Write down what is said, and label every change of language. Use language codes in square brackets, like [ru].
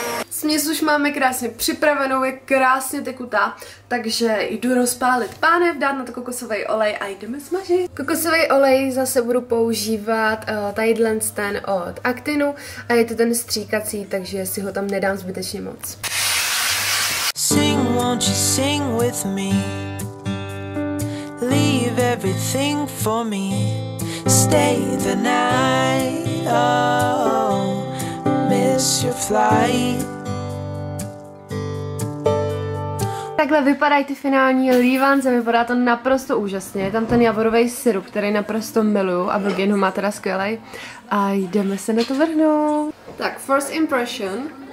[cs] Směs už máme krásně připravenou, je krásně tekutá, takže jdu rozpálit pánev, dát na to kokosový olej a jdeme smažit. Kokosový olej zase budu používat tadyhle ten od Actinu a je to ten stříkací, takže si ho tam nedám zbytečně moc. [en] Sing, won't you sing with me? Leave everything for me. Stay the night, oh, miss your flight. [cs] Takhle vypadají ty finální lívance, vypadá to naprosto úžasně. Je tam ten javorový syrup, který naprosto miluju a Virgin ho má teda skvělej. A jdeme se na to vrhnout. Tak, [en] first impression.